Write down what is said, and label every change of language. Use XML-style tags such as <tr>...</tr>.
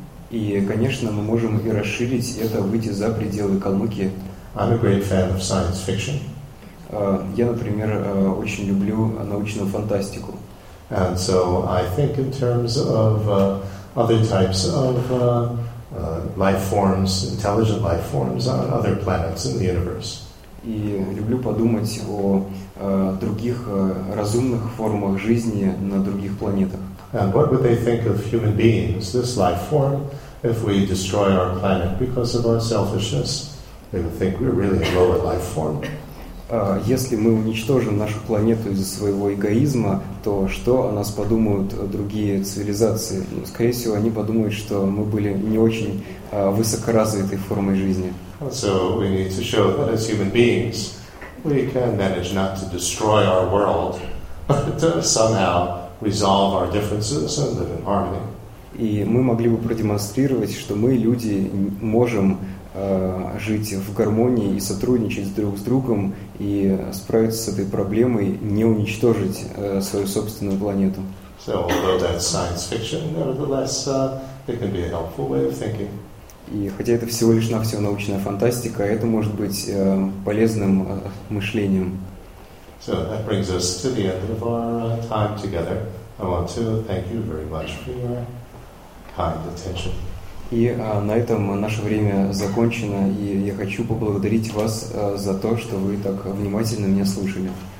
<ru>И, конечно, мы можем и расширить это, выйти за пределы Калмыкии.</ru> <en>I'm a great fan of science fiction.</en> <ru>Я, например, очень люблю научную фантастику.</ru> <en>And so I think in terms of other types of life forms, intelligent life forms on other planets in the universe.</en> <ru>И люблю подумать о других разумных формах жизни на других планетах.</ru> <en>And what would they think of human beings, this life form, if we destroy our planet because of our selfishness? They would think we're really a lower life form.</en> <ru>Если мы уничтожим нашу планету из-за своего эгоизма, то что о нас подумают другие цивилизации? Ну, скорее всего, они подумают, что мы были не очень высокоразвитой формой жизни.</ru> <en>So we need to show that as human beings, we can manage not to destroy our world, but to somehow resolve our differences and live in harmony.</en> <ru>И мы могли бы продемонстрировать, что мы, люди, можем жить в гармонии и сотрудничать друг с другом и справиться с этой проблемой, не уничтожить свою собственную планету.</ru> <en>So, although that's science fiction, nevertheless, it can be a helpful way of thinking.</en> <ru>И хотя это всего лишь навсего научная фантастика, это может быть полезным мышлением.</ru> <en>So, that brings us to the end of our time together. I want to thank you very much for your kind attention.</en> <ru>И на этом наше время закончено, и я хочу поблагодарить вас за то, что вы так внимательно меня слушали.</ru>